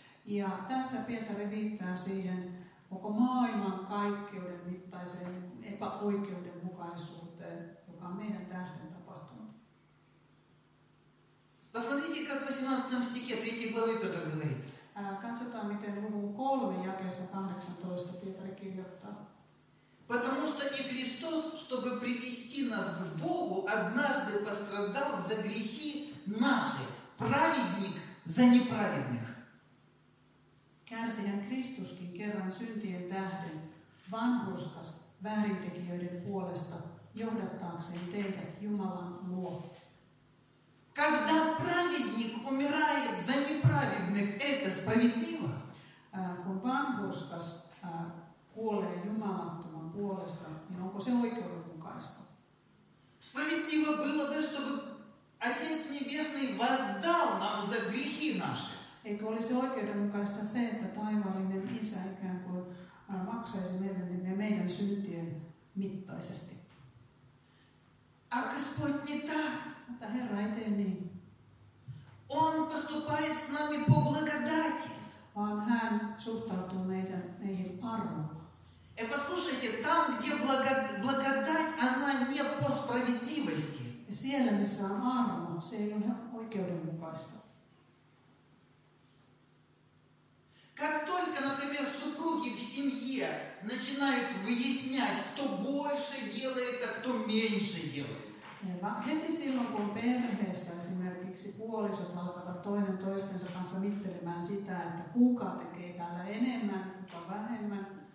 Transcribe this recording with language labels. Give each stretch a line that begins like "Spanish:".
Finnish: Ja tässä Pietari viittaa siihen koko maailman kaikkeuden mittaiseen epäoikeudenmukaisuuteen. Meidän tähden tapahtunut.
Russian: Посмотрите, как в 18 стихе 3 главы Петр говорит.
Finnish: Katsotaan, miten luvun 3 jakeessa 18 Pietari kirjoittaa.
Russian: Потому что и Христос, чтобы привести нас к Богу, однажды пострадал за грехи наши, праведник за неправедных.
Finnish: Kärsihän Kristuskin kerran syntien tähden, vanhurskas väärintekijöiden puolesta, johdattaakseen teidät Jumalan luo.
Russian: Когда праведник умирает за неправедных, это справедливо?
Finnish: Kun vanhurskas kuolee jumalattoman puolesta, niin onko se oikeudenmukaista?
Russian: Справедливо было бы, чтобы Отец Небесный воздал нам за грехи наши.
Finnish: Eikö olisi oikeudenmukaista se, että taivaallinen Isä ikään kuin maksaisi meidän syntien mittaisesti?
Russian: А Господь не так.
Finnish: Mutta Herra ei tee niin.
Russian: Он поступает с нами по благодати.
Finnish: Vaan Hän suhtautuu meihin armolla.
Russian: И послушайте, там, где благодать, она не по справедливости.
Finnish: Ja siellä, missä on armo, se ei ole oikeudenmukaista.
Russian: Как только, например, супруги в семье начинают выяснять, кто больше делает, а кто меньше делает.
Finnish: Heti silloin, kun perheessä esimerkiksi puolisot alkavat toinen toistensa kanssa mittelemään sitä, että kuka tekee täällä enemmän, kuka vähemmän.